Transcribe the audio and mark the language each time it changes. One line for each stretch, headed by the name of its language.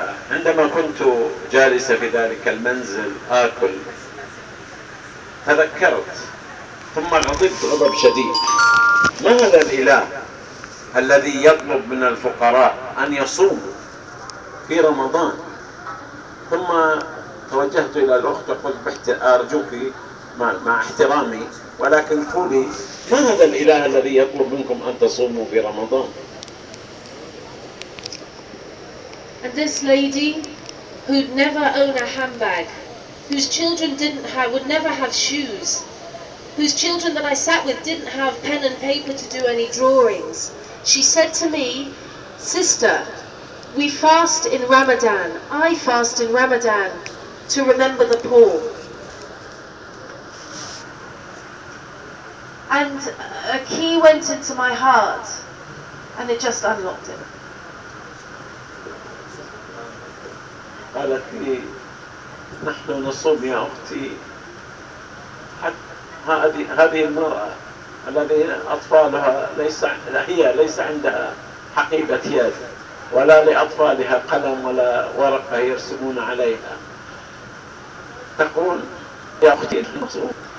Arabic: عندما كنت جالسة في ذلك المنزل آكل تذكرت ثم غضبت غضب شديد ما هذا الإله الذي يطلب من الفقراء أن يصوموا في رمضان ثم توجهت إلى الأخت وقلت أرجوك مع احترامي ولكن قولي ما هذا الإله الذي يطلب منكم أن تصوموا في رمضان.
English: And this lady who'd never own a handbag, whose children would never have shoes, whose children that I sat with didn't have pen and paper to do any drawings, She said to me, "Sister, we fast in Ramadan. I fast in Ramadan to remember the poor." And a key went into my heart, and it just unlocked it.
Arabic: قالت لي نحن نصوم يا أختي حتى هذه المرأة الذي أطفالها ليس هي ليس عندها حقيبة يد ولا لأطفالها قلم ولا ورقة يرسمون عليها تقول يا أختي نصوم